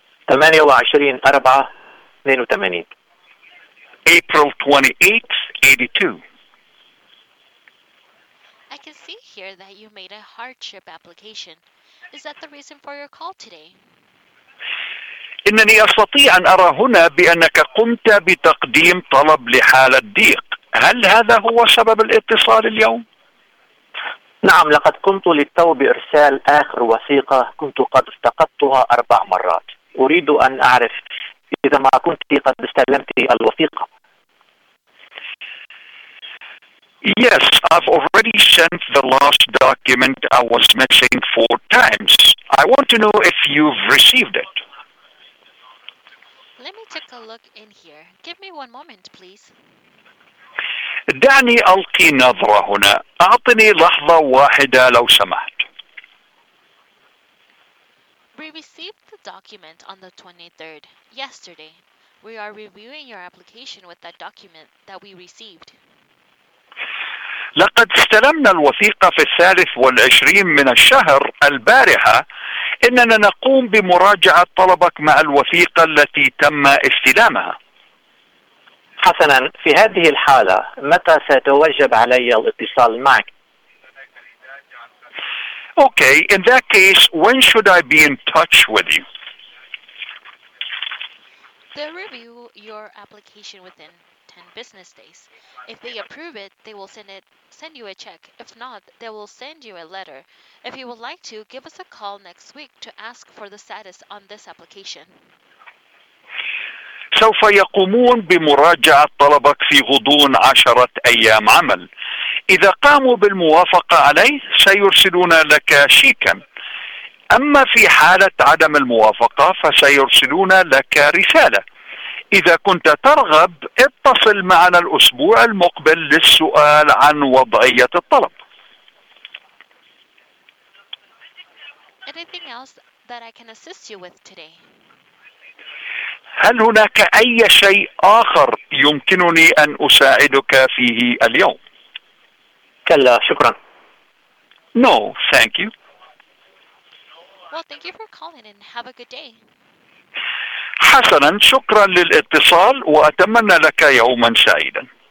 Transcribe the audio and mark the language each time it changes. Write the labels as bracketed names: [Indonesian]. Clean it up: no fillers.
[English] 28/4/82. April 28th, 1982. I can see here that you made a hardship application. Is that the reason for your call today? [Arabic] إنني أستطيع أن أرى هنا بأنك قمت بتقديم طلب لحالة ضيق. هل هذا هو سبب الاتصال اليوم؟ نعم، لقد قمت للتو بإرسال آخر وثيقة كنت قد افتقدتها 4 مرات. أريد أن أعرف إذا ما كنت قد استلمت الوثيقة. [English] Yes, I've already sent the last document I was missing 4 times. I want to know if you've received it. Let me take a look in here. Give me 1 moment, please. [Arabic] دعني ألقي نظرة هنا. أعطني لحظة واحدة لو سمحت. [English] We received the document on the 23rd, yesterday. We are reviewing your application with that document that we received. [Arabic] لقد استلمنا الوثيقة في 23 من الشهر البارحة. إننا نقوم بمراجعة طلبك مع الوثيقة التي تم استلامها. حسنا، في هذه الحالة متى ستوجب علي الاتصال معك؟ [English] Okay, in that case, when should I be in touch with you? They'll review your application within 10 business days. If they approve it, they will send you a check. If not, they will send you a letter. If you would like to, give us a call next week to ask for the status on this application. [Arabic] سوف يقومون بمراجعة طلبك في غضون 10 أيام عمل. إذا قاموا بالموافقة عليه سيرسلون لك شيكا. أما في حالة عدم الموافقة فسيرسلون لك رسالة. إذا كنت ترغب اتصل معنا الأسبوع المقبل للسؤال عن وضعية الطلب. [English] Anything else that I can assist you with today? [Arabic] هل هناك أي شيء آخر يمكنني أن أساعدك فيه اليوم؟ كلا، شكرا. [English] No, thank you. Well, thank you for calling and have a good day. [Arabic] حسنا، شكرا للاتصال وأتمنى لك يوما سعيدا.